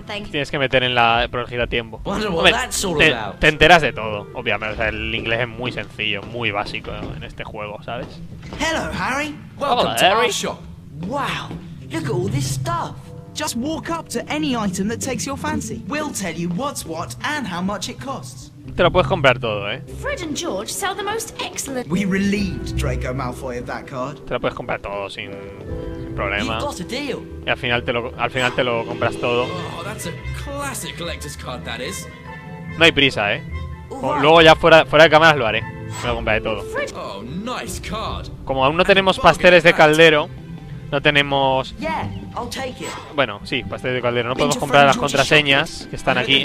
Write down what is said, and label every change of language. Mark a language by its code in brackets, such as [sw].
[es] Tienes que meter en la prolongida a tiempo. Te enteras de todo, obviamente. O sea, el inglés es muy sencillo, muy básico en este juego, ¿sabes? [en] Hello, Harry. Welcome to our shop. Wow, look at all this stuff. Just walk up to any item that takes your fancy. We'll tell you what's what and how much it costs. [es] Te lo puedes comprar todo, ¿eh? [en] Fred and George sell the most excellent. We relieved Draco Malfoy of that card. [es] Te lo puedes comprar todo sin problema. [en] You got a deal. [es] Y al final te lo compras todo. [en] Oh, that's a classic collector's card, that is. [es] No hay prisa, ¿eh? [en] Right. [es] Luego ya fuera de cámaras lo haré. Me lo compraré todo. [en] Fred... Oh, nice card. [es] Como aún no tenemos pasteles de caldero, no tenemos... [en] Yeah. I'll take it. [es] Bueno, sí, pasteles de caldero. No podemos comprar las contraseñas que están aquí.